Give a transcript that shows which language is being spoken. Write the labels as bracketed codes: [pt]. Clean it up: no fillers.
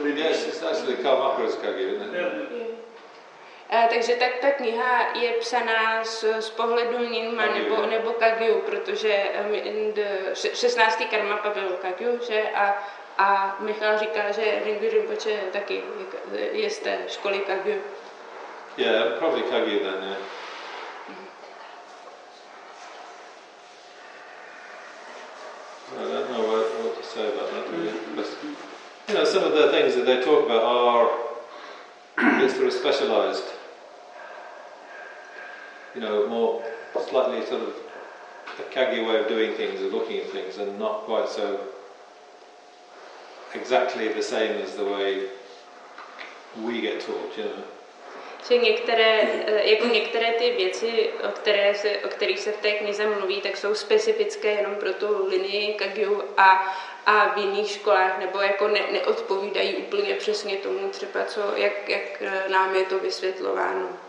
[en] Yes, it's actually Karma Pro's Kagyu, isn't it? Yeah. [cs] Takže ta kniha je psaná z pohledu Nyingma nebo Kagyu, protože 16. Karmapa byl Kagyu, že? A Michal říká, že Mingyur Rinpoche taky je z té školy Kagyu. [en] Yeah, probably Kagyu then, yeah. I don't know what to say about that, really. But, you know, some of the things that they talk about are, it's sort of specialized, you know, more slightly sort of a Kagyu way of doing things and looking at things, and not quite so exactly the same as the way we get taught, you know. [cs] Že některé, jako některé ty věci, o kterých se v té knize mluví, tak jsou specifické jenom pro tu linii Kagyu a v jiných školách, nebo jako neodpovídají úplně přesně tomu třeba, co, jak nám je to vysvětlováno.